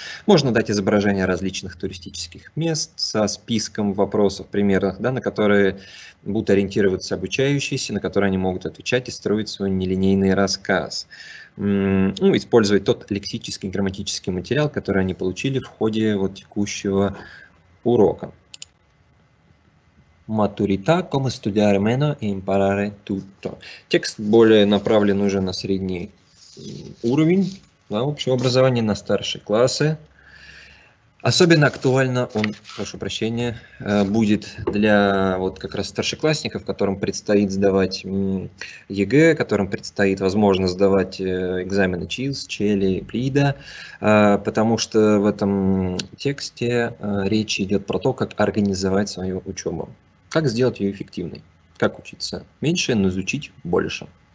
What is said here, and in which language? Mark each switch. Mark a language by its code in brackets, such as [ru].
[ru] Можно дать изображение различных туристических мест со списком вопросов примерных, да, на которые будут ориентироваться обучающиеся, на которые они могут отвечать и строить свой нелинейный рассказ. Ну, использовать тот лексический и грамматический материал, который они получили в ходе вот текущего урока. [it] Матурита, come studiare meno e imparare tutto. [ru] Текст более направлен уже на средний уровень, на общее образование, на старшие классы. Особенно актуально он, прошу прощения, будет для вот как раз старшеклассников, которым предстоит сдавать ЕГЭ, которым предстоит, возможно, сдавать экзамены ЧИЛС, ЧЕЛИ, ПЛИДА, потому что в этом тексте речь идет про то, как организовать свою учебу, как сделать ее эффективной, как учиться меньше, но изучить больше.